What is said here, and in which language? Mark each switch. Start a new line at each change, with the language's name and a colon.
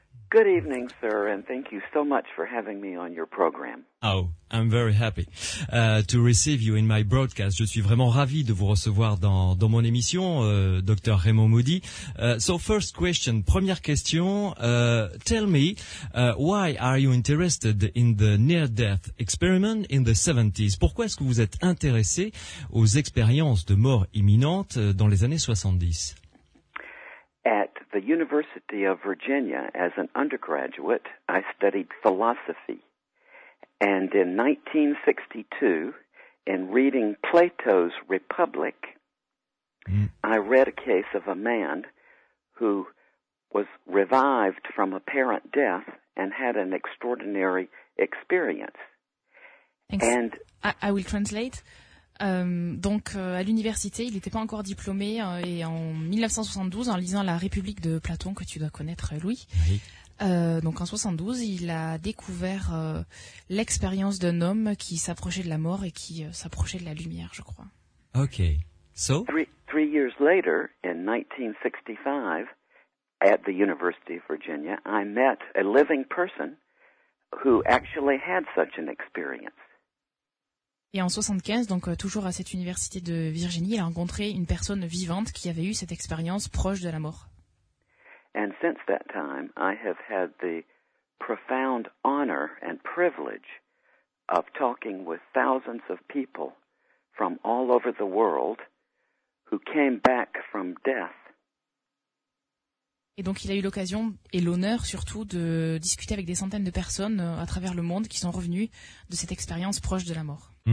English: Good evening, sir, and thank you so much for having me on your program. Oh, I'm very happy to receive you in my broadcast.
French: Je suis vraiment ravi de vous recevoir dans mon émission, Dr. Raymond Moody.
English: So first question,
French: première question,
English: tell me, why are you interested in the near-death experiment in the 70s?
French: Pourquoi est-ce que vous êtes intéressé aux expériences de mort imminente dans les années 70?
English: At the University of Virginia, as an undergraduate, I studied philosophy. And in 1962, in reading Plato's Republic, I read a case of a man who was revived from apparent death and had an extraordinary experience. Thanks. And I will translate.
French: Donc, à l'université, il n'était pas encore diplômé, et en 1972, en lisant La République de Platon, que tu dois connaître, Louis, donc en 72, il a découvert l'expérience d'un homme qui s'approchait de la mort et qui s'approchait de la lumière, je crois.
English: Ok. So? Three years later, in 1965, at the University of Virginia, I met a living person who actually had such an experience.
French: Et en 75, donc toujours à cette université de Virginie, il a rencontré une personne vivante qui avait eu cette expérience proche de la mort.
English: And since that time, I have had the profound honor and privilege of talking with thousands of people from all over the world who came back from death.
French: Et donc il a eu l'occasion et l'honneur surtout de discuter avec des centaines de personnes à travers le monde qui sont revenues de cette expérience proche de la mort.